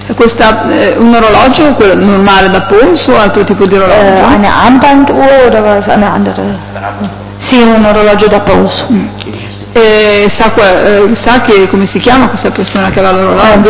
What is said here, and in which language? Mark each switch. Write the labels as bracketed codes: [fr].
[it] E questa un orologio quello normale da polso o altro tipo di orologio? [de] Eine Armbanduhr oder was eine andere? [it] Sì, un orologio da polso. Sa che come si chiama questa persona che aveva l'orologio?